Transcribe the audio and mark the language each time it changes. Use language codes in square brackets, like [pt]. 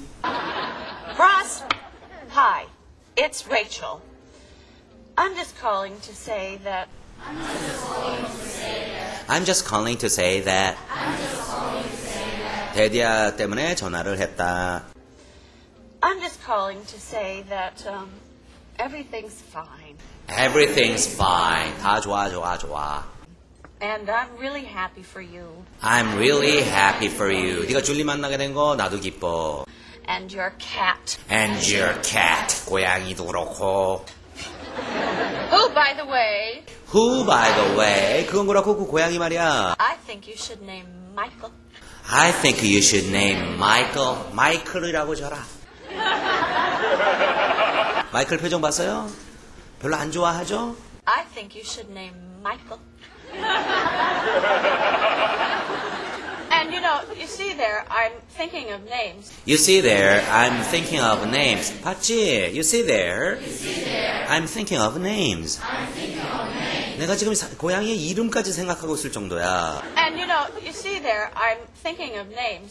[en] Ross. Hi. It's Rachel. I'm just calling to say that. I'm just calling to say that. I'm just calling to say that. [ko] 데디아 때문에 전화를 했다. [en] I'm just calling to say that everything's fine. Everything's fine. [ko] 다 좋아, 좋아, 좋아. [en] And I'm really happy for you. I'm really happy for you. [ko] 네가 줄리 만나게 된 거 나도 기뻐. [en] And your cat. And your cat. [ko] 고양이도 그렇고. [en] Who, by the way? Who, by the way? [ko] 그건 그렇고 그 고양이 말이야. [en] I think you should name Michael. I think you should name Michael. [ko] 마이클이라고 줘라. 마이클 표정 봤어요? 별로 안 좋아하죠? [en] I think you should name Michael. And you know, you see there, I'm thinking of names. You see there, I'm thinking of names. [ko] 봤지? [en] You see there, I'm thinking of names. I'm thinking of names. [ko] 내가 지금 고양이의 이름까지 생각하고 있을 정도야. [en] And you know, you see there, I'm thinking of names.